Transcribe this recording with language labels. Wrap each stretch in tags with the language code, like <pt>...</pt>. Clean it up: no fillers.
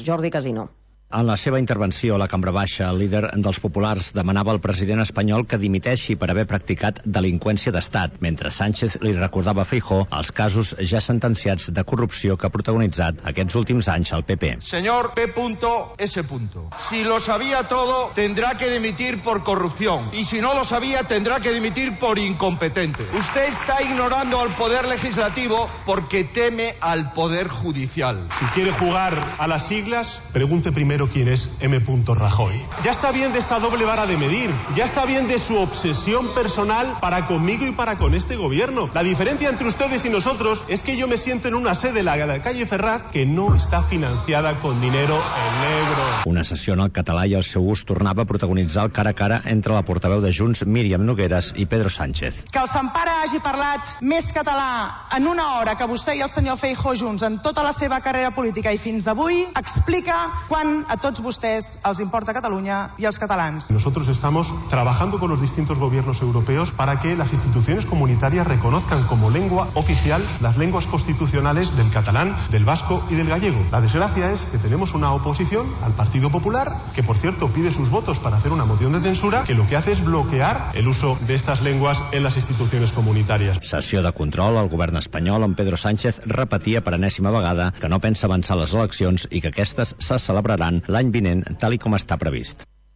<ca>Jordi Casino. En la seva intervenció a la Cambra Baixa, el líder dels populars demanava al president espanyol que dimiteixi per haver practicat delinqüència d'estat, mentre Sánchez li recordava a Feijóo els casos ja sentenciats de corrupció que ha protagonitzat aquests últims anys al PP.</ca> <es>Señor P.S. Si lo sabía todo, tendrá que dimitir por corrupción. Y si no lo sabía, tendrá que dimitir por incompetente. Usted está ignorando al poder legislativo porque teme al poder judicial. Si quiere jugar a las siglas, pregunte primero. Primero, ¿quién es M. Rajoy? Ya está bien de esta doble vara de medir. Ya está bien de su obsesión personal para conmigo y para con este gobierno. La diferencia entre ustedes y nosotros es que yo me siento en una sede, la de calle Ferraz, que no está financiada con dinero en negro.</es> <ca>Una sessió en el català i el seu ús tornava a protagonitzar el cara a cara entre la portaveu de Junts, Míriam Nogueras, i Pedro Sánchez. Que el Sant Pare hagi parlat més català en una hora que vostè i el senyor Feijóo junts en tota la seva carrera política i fins avui explica quan a tots vostès els importa Catalunya i els catalans.</ca> <es>Nosotros estamos trabajando con los distintos gobiernos europeos para que las instituciones comunitarias reconozcan como lengua oficial las lenguas constitucionales del catalán, del vasco y del gallego. La desgracia es que tenemos una oposición al Partido Popular que, por cierto, pide sus votos para hacer una moción de censura que lo que hace es bloquear el uso de estas lenguas en las instituciones comunitarias.</es> <ca>Sessió de control al govern espanyol on Pedro Sánchez repetia per enèsima vegada que no pensa avançar les eleccions i que aquestes se celebren l'any vinent, tal i com està previst.</ca>